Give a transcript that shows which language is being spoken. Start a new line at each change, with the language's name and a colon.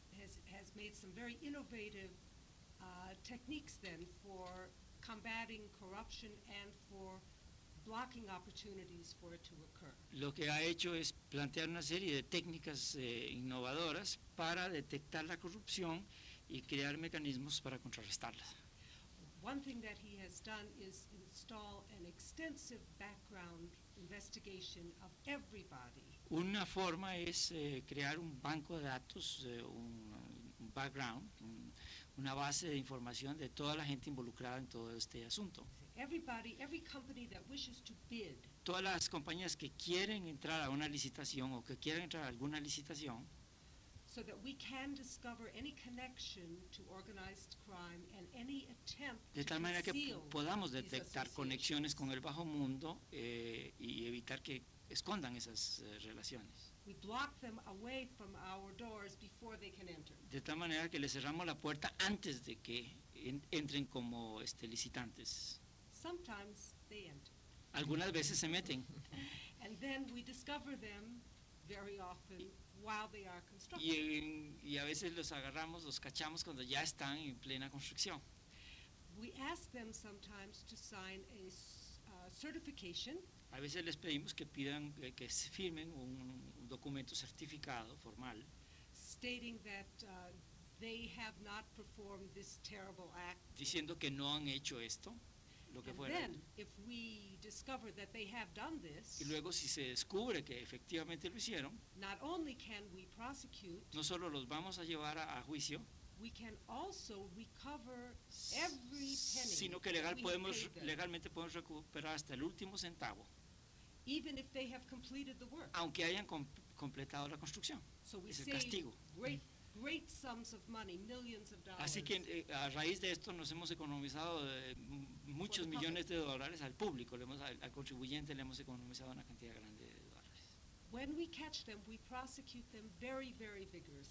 English: has made some very innovative techniques then for combating corruption and for blocking opportunities for it to occur.
Spanish: Lo que ha hecho es plantear una serie de técnicas innovadoras para detectar la corrupción y crear mecanismos para contrarrestarla.
English: One thing that he has done is install an extensive background investigation of everybody.
Spanish: Una forma es crear un banco de datos, un background, una base de información de toda la gente involucrada en todo este asunto.
English: Everybody, every company that wishes to bid.
Spanish: Todas las compañías que quieren entrar a una licitación o que quieran entrar a alguna licitación.
English: So that we can discover any connection to organized crime and any attempt.
Spanish: De tal manera que podamos detectar conexiones con el bajo mundo y evitar que escondan esas relaciones.
English: We block them away from our doors before they can enter.
Spanish: De tal manera que les cerramos la puerta antes de que entren como licitantes.
English: Sometimes they enter.
Spanish: Algunas veces se meten.
English: And then we discover them very often while they are constructing.
Spanish: Y a veces los agarramos, los cachamos cuando ya están en plena construcción.
English: We ask them sometimes to sign a certification.
Spanish: A veces les pedimos que pidan que firmen un documento certificado formal.
English: Stating that they have not performed this terrible act.
Spanish: Diciendo que no han hecho esto.
English: And then, if we discover that they have done this,
Spanish: y luego si se descubre que efectivamente lo hicieron,
English: not only can we prosecute,
Spanish: no solo los vamos a llevar a juicio,
English: we can also recover every penny,
Spanish: sino que legalmente podemos recuperar hasta el último centavo,
English: even if they have completed the work,
Spanish: aunque hayan completado la construcción,
English: so we
Spanish: es el castigo.
English: Great great sums of money, millions of dollars.
Spanish: Así que a raíz de esto nos hemos economizado muchos millones de dólares al público, al contribuyente le hemos economizado una cantidad grande de dólares.
English: When we catch them, we prosecute them very, very vigorously.